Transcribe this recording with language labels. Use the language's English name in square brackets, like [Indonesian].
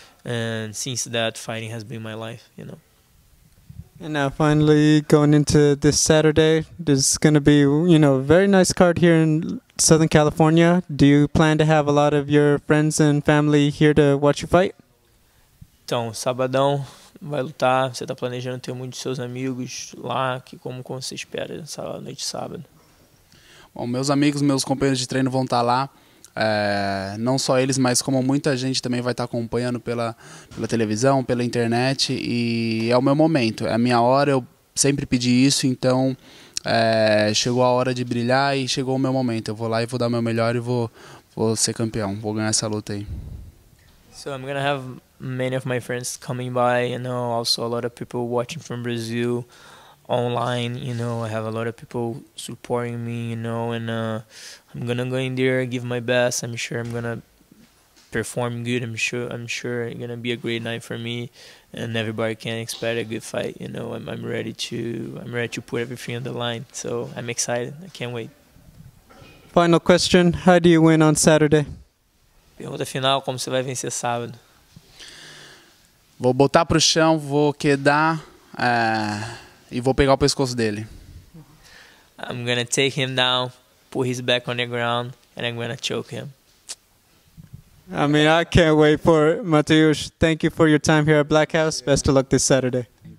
[English] And since that, fighting has been my life, you know. And now finally going into this Saturday, there's going to be, you know, a very nice card here in Southern California. Do you plan to have a lot of your friends and family here to watch you fight? [Portuguese] Então, sabadão. Vai lutar, você tá planejando ter muitos seus amigos lá, que como você espera nessa noite de sábado? Bom, meus amigos, meus companheiros de treino vão estar lá, não só eles, mas como muita gente também vai estar acompanhando pela televisão, pela internet, e é o meu momento, é a minha hora, eu sempre pedi isso, então chegou a hora de brilhar e chegou o meu momento, eu vou lá e vou dar o meu melhor e vou ser campeão, vou ganhar essa luta aí. [English] So I'm gonna have many of my friends coming by, you know, also a lot of people watching from Brazil online, you know, I have a lot of people supporting me, you know, and I'm gonna go in there, give my best, I'm sure I'm gonna perform good, I'm sure it's gonna be a great night for me, and everybody can expect a good fight, you know, I'm ready to put everything on the line, so I'm excited, I can't wait. Final question, how do you win on Saturday? [Portuguese] Pergunta final, como você vai vencer sábado? Vou botar pro chão, vou quedar e vou pegar o pescoço dele. [English] I'm gonna take him down, put his back on the ground, and I'm gonna choke him. I mean, I can't wait for it. Matheus, thank you for your time here at Black House. Best of luck this Saturday.